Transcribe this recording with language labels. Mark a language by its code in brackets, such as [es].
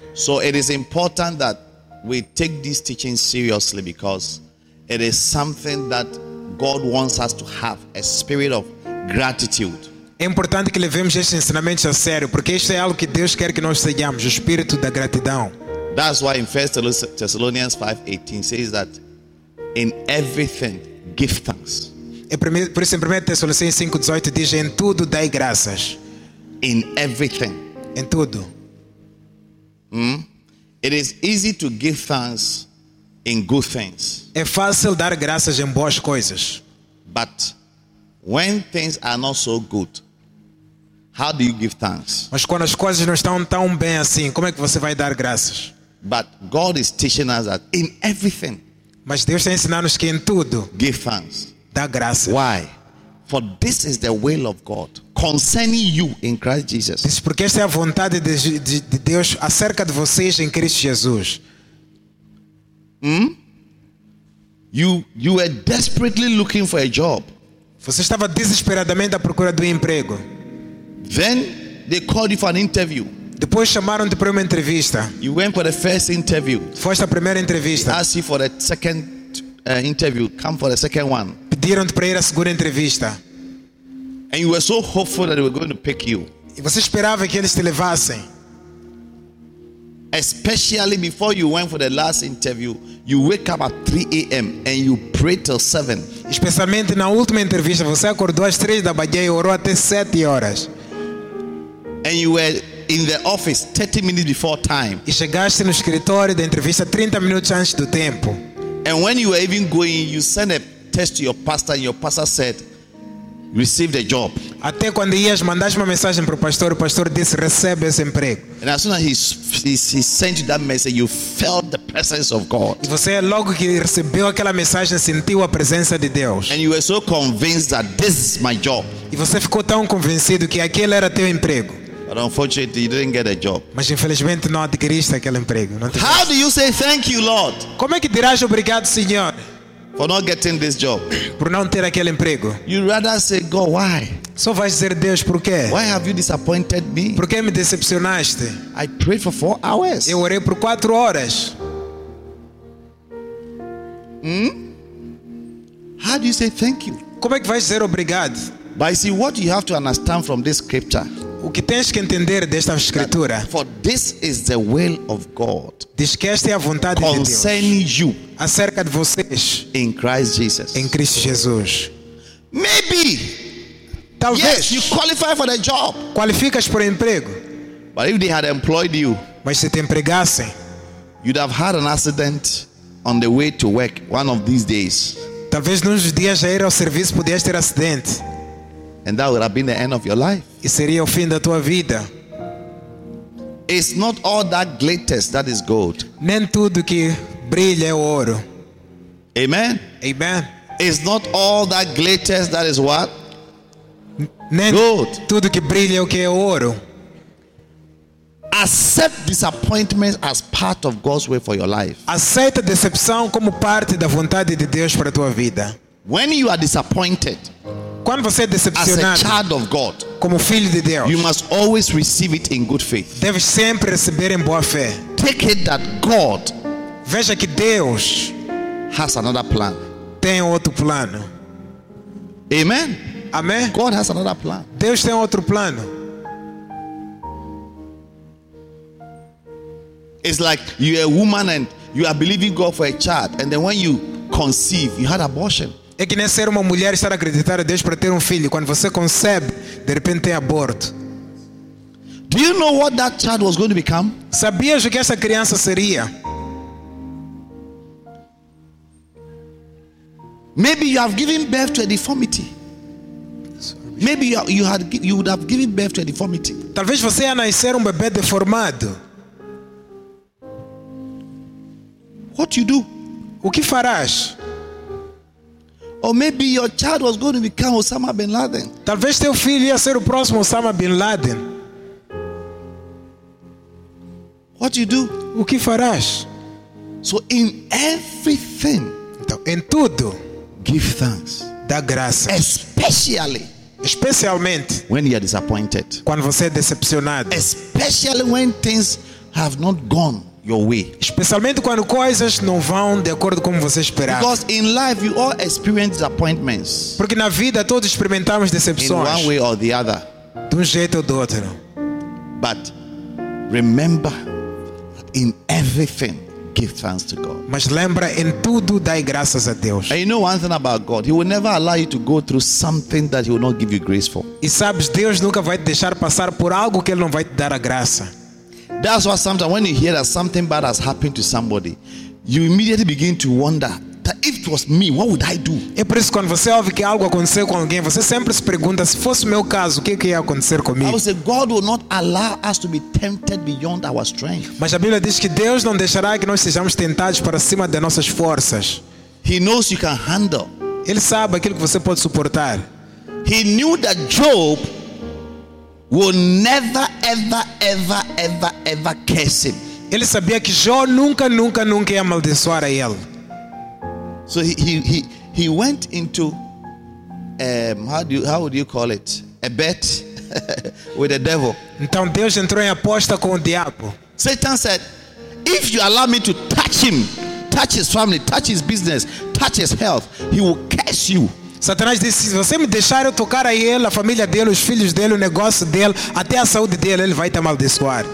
[en] So it is important that we take this teaching seriously because it is something that God wants us to have, a spirit of gratitude. [pt] É importante que levemos estes ensinamentos a sério, porque isto é algo que Deus quer que nós tenhamos, o espírito da gratidão. [en] That's why in 1 Thessalonians 5:18 says that in everything give thanks. [pt] É por isso em 1 Thessalonians 5:18 diz em tudo dai graças. [en] In everything. [pt] Em tudo. [en] It is easy to give thanks in good things. [pt] É fácil dar graças em boas coisas. [en] But when things are not so good, how do you give thanks? [pt] Mas quando as coisas não estão tão bem assim, como é que você vai dar graças? [en] But God is teaching us that in everything. [pt] Mas Deus está ensinando-nos que em tudo, [en] give thanks. [pt] Dá graças. [en] Why? For this is the will of God concerning you in Christ Jesus. [pt] Diz, porque esta é a vontade de Deus acerca de vocês em Cristo Jesus. [en] You were desperately looking for a job. [pt] Você estava desesperadamente à procura de um emprego. [en] Then they called you for an interview. [pt] Depois chamaram-te para uma entrevista. [en] You went for the first interview. [pt] Foste à primeira entrevista. [en] Asked you for a second interview. Come for the second one. [pt] Pediram-te para ir à segunda entrevista. [en] And you were so hopeful that they were going to pick you. [pt] E você esperava que eles te levassem. [en] Especially before you went for the last interview, you wake up at 3 a.m. and you pray till 7. [pt] Especialmente na última entrevista, você acordou às 3 da manhã e orou até 7 horas. [en] And you were in the office 30 minutes before time. [pt] E chegaste no escritório da entrevista 30 minutos antes do tempo. [en] And when you were even going, you sent a text to your pastor and your pastor said, receive the job. [pt] Até quando ias mandaste uma mensagem para o pastor disse recebe esse emprego. [en] And as soon as he sent you that message, you felt the presence of God. [pt] E você logo que recebeu aquela mensagem sentiu a presença de Deus. [en] And you were so convinced that this is my job. [pt] E você ficou tão convencido que aquele era teu emprego. [en] But unfortunately, you didn't get a job. [pt] Mas infelizmente não adquiriste aquele emprego. Não adquiriste. [en] How do you say thank you, Lord? [pt] Como é que dirás obrigado, Senhor? [en] For not getting this job. [pt] Por não ter aquele emprego. [en] You rather say, God, why? [pt] Só vais dizer Deus por quê? [en] Why have you disappointed me? [pt] Por que me decepcionaste? [en] I prayed for 4 hours. [pt] Eu orei por 4 horas. [en] How do you say thank you? [pt] Como é que vais dizer obrigado? [en] But see, what you have to understand from this scripture. [pt] O que tens que entender desta escritura? [en] That for this is the will of God. [pt] Diz que esta é a vontade de Deus. [en] Concerning you. [pt] Acerca de vocês. [en] In Christ Jesus. [pt] Em Cristo Jesus. [en] Maybe. [pt] Talvez. [en] Yes, you qualify for the job. [pt] Qualificas para o emprego. [en] But if they had employed you. [pt] Mas se te empregassem. [en] You'd have had an accident on the way to work one of these days. [pt] Talvez num dos dias a ir ao serviço pudesse ter acidente. [en] And that would have been the end of your life. [pt] E seria o fim da tua vida. [en] It's not all that glitters that is gold. [pt] Nem tudo que brilha é ouro. [en] Amen. [pt] Amen. [en] It's not all that glitters that is what? [pt] Nem gold. Tudo que brilha é o que é ouro. [en] Accept disappointment as part of God's way for your life. [pt] Aceita a decepção como parte da vontade de Deus para a tua vida. [en] When you are disappointed, [pt] quando você é decepcionado, [en] as a child of God, [pt] como filho de Deus, [en] you must always receive it in good faith. [pt] Deve sempre receber em boa fé. [en] Take it that God, [pt] veja que Deus, [en] has another plan. [pt] Tem outro plano. [en] Amen. [pt] Amém. [en] God has another plan. [pt] Deus tem outro plano. [en] It's like you are a woman and you are believing God for a child, and then when you conceive, you had abortion. [pt] É que nem ser uma mulher estar a acreditar a Deus para ter um filho. Quando você concebe, de repente tem aborto. [en] Do you know what that child was going to become? [pt] Sabias o que essa criança seria? [en] Maybe you have given birth to a deformity. Maybe you would have given birth to a deformity. [pt] Talvez você ia nascer um bebê deformado. [en] What you do? [pt] O que farás? [en] Or maybe your child was going to become Osama bin Laden. [pt] Talvez teu filho ia ser o próximo Osama bin Laden. [en] What do you do? [pt] O que farás? [en] So in everything, [pt] então, em tudo, [en] give thanks. [pt] Dá graças. Especialmente [en] when you are disappointed. [pt] Quando você é decepcionado. [en] Especially when things have not gone your way. [pt] Especialmente quando coisas não vão de acordo com você esperava. [en] Because in life you all experience disappointments. [pt] Porque na vida todos experimentamos decepções. [en] In one way or the other. [pt] De um jeito ou do outro. [en] But remember, in everything, give thanks to God. [pt] Mas lembra, em tudo dai graças a Deus. [en] And you know one thing about God, He will never allow you to go through something that He will not give you grace for. [pt] E sabes, Deus nunca vai te deixar passar por algo que Ele não vai te dar a graça. [en] That's why sometimes when you hear that something bad has happened to somebody, you immediately begin to wonder that if it was me, what would I do? [pt] É por isso quando você ouve que algo aconteceu com alguém, você sempre se pergunta se fosse meu caso, o que ia acontecer comigo? [en] I would say God will not allow us to be tempted beyond our strength. [pt] Mas a Bíblia diz que Deus não deixará que nós sejamos tentados para cima de nossas forças. [en] He knows you can handle. [pt] Ele sabe aquilo que você pode suportar. [en] He knew that Job would never, ever, ever, ever, ever curse him. [pt] Ele sabia que Jó nunca, nunca, nunca ia amaldiçoar a ele. [en] So he went into how would you call it? A bet with the devil. [pt] Então Deus entrou em aposta com o diabo. [en] Satan said, if you allow me to touch him, touch his family, touch his business, touch his health, he will curse you. [pt] Satanás disse, se você me deixar eu tocar a ele, a família dele, os filhos dele, o negócio dele, até a saúde dele, ele vai te amaldiçoar.